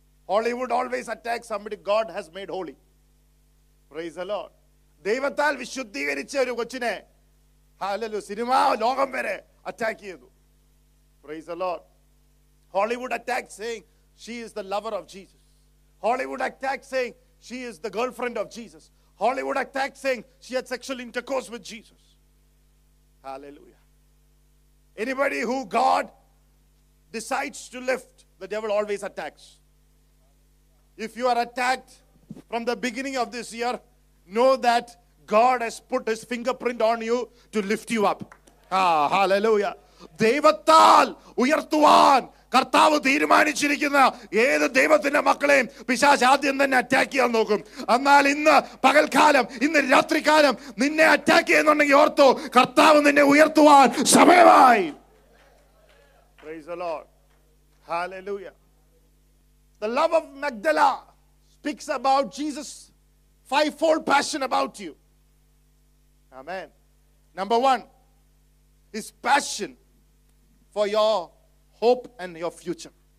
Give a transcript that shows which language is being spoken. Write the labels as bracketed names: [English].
[English] Hollywood always attack somebody God has made holy. Praise the Lord. [Malayalam] ദൈവത്താൽ വിശുദ്ധീകരിച്ച ഒരു കൊച്ചിനെ hallelujah cinema ലോകം വരെ അറ്റാക്ക് ചെയ്തു. [English] Praise the Lord. [Malayalam] Hollywood attack saying [English] she is the lover of Jesus. Hollywood attack saying she is the girlfriend of Jesus. Hollywood attack saying she had sexual intercourse with Jesus. Hallelujah. Anybody who God decides to lift, the devil always attacks. If you are attacked from the beginning of this year, know that God has put his fingerprint on you to lift you up. Ah, hallelujah. [Malayalam] ദൈവത്താൽ ഉയർത്തുവാൻ കർത്താവ് തീരുമാനിച്ചിരിക്കുന്ന ഏത് ദൈവത്തിന്റെ മക്കളെയും പിശാച് ആദ്യം തന്നെ attack ചെയ്യാൻ നോക്കും. എന്നാൽ ഇന്ന് പകൽക്കാലം, ഇന്ന് രാത്രികാലം നിന്നെ അറ്റാക്ക് ചെയ്യുന്നുണ്ടെങ്കിൽ ഓർത്തോ, കർത്താവ് നിന്നെ ഉയർത്തുവാൻ സമയമായി. [English] Praise the Lord. Hallelujah. The love of Magdala speaks about Jesus' fivefold passion about you. Amen. Number one, his passion for your hope and your future.